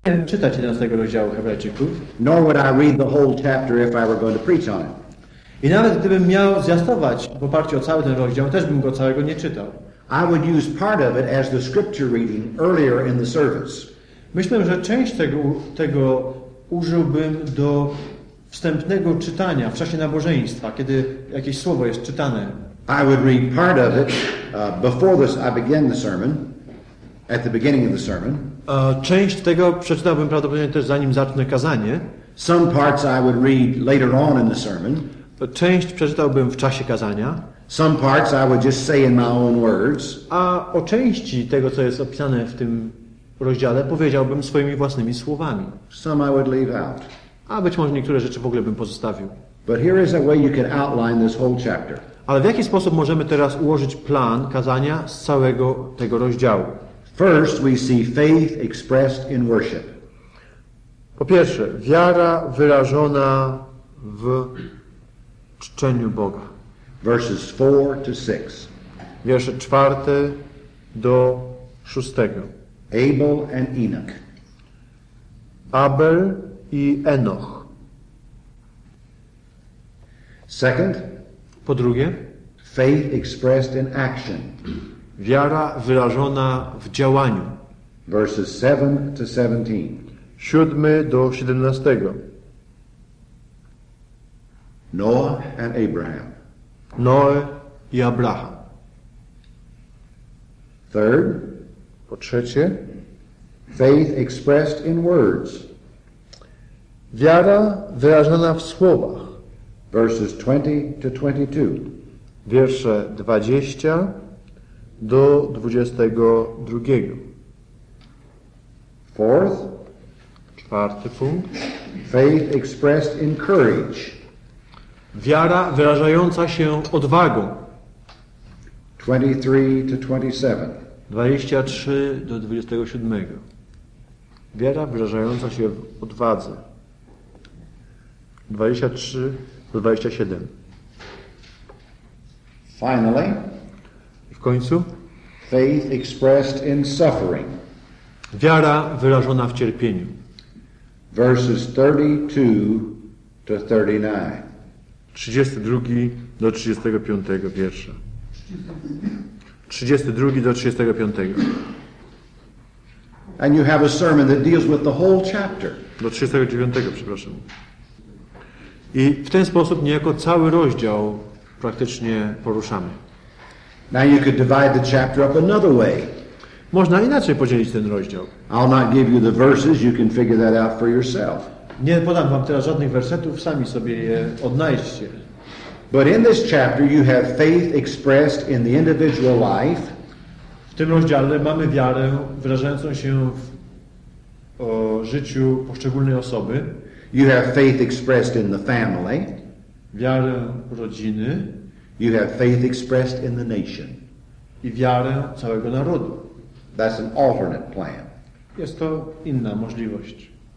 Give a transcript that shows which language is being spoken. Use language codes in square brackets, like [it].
[pl] Czytać jeden z tego rozdziału Hebrajczyków. [en] Nor would I read the whole chapter if I were going to preach on it. [pl] I nawet gdybym miał zwiastować w oparciu o cały ten rozdział, też bym go całego nie czytał. [en] I would use part of it as the scripture reading earlier in the service. [pl] Myślę, że część tego użyłbym do wstępnego czytania w czasie nabożeństwa, kiedy jakieś słowo jest czytane. [en] I would read part of it before this I begin the sermon, at the beginning of the sermon. [pl] Część tego przeczytałbym prawdopodobnie też zanim zacznę kazanie. [en] Some parts I would read later on in the sermon. [pl] Część przeczytałbym w czasie kazania. [en] Some parts I would just say in my own words. [pl] A o części tego, co jest opisane w tym rozdziale, powiedziałbym swoimi własnymi słowami. [en] Some I would leave out. [pl] A być może niektóre rzeczy w ogóle bym pozostawił. [en] But here is a way you can outline this whole chapter. [pl] Ale w jaki sposób możemy teraz ułożyć plan kazania z całego tego rozdziału? [en] First we see faith expressed in worship. [pl] Po pierwsze, wiara wyrażona w czczeniu Boga. [en] Verses 4 to 6. [pl] Wiersze 4 do 6. [en] Abel and Enoch. [pl] Abel i Enoch. [en] Second. [pl] Po drugie. [en] Faith expressed in action. [pl] Wiara wyrażona w działaniu. [en] Verses 7 to 17. [pl] 7 do 17. [en] Noah and Abraham. [pl] Noe i Abraham. [en] Third. [pl] Po trzecie. [en] Faith expressed in words. [pl] Wiara wyrażona w słowach. [en] Verses 20 to 22. [pl] Wiersze 20 do 22. [en] Fourth. [pl] Czwarty punkt. [en] Faith expressed in courage. [pl] Wiara wyrażająca się odwagą. [en] 23 to 27. [pl] 23 do 27. Wiara wyrażająca się w odwadze. 23 do 27. [en] Finally. [pl] I w końcu. [en] Faith expressed in suffering. [pl] Wiara wyrażona w cierpieniu. [en] Verses 32 to 39. [pl] 32 do 35 wiersza. 32 do 35. [en] And you have a sermon that deals with the whole chapter. [pl] Do 39, przepraszam. I w ten sposób niejako cały rozdział praktycznie poruszamy. [en] Now you could divide the chapter up another way. [pl] Można inaczej podzielić ten rozdział. [en] I'll not give you the verses, you can figure that out for yourself. [pl] Nie podam wam teraz żadnych wersetów, sami sobie je odnajdźcie. [en] But in this chapter you have faith expressed in the individual life. [pl] W tym rozdziale mamy wiarę wyrażającą się w życiu poszczególnej osoby. [en] You have faith expressed in the family. [pl] Wiarę rodziny. [en] You have faith expressed in the nation. [pl] I wiarę całego narodu. [en] That's an alternate plan. [pl] Jest to inna możliwość.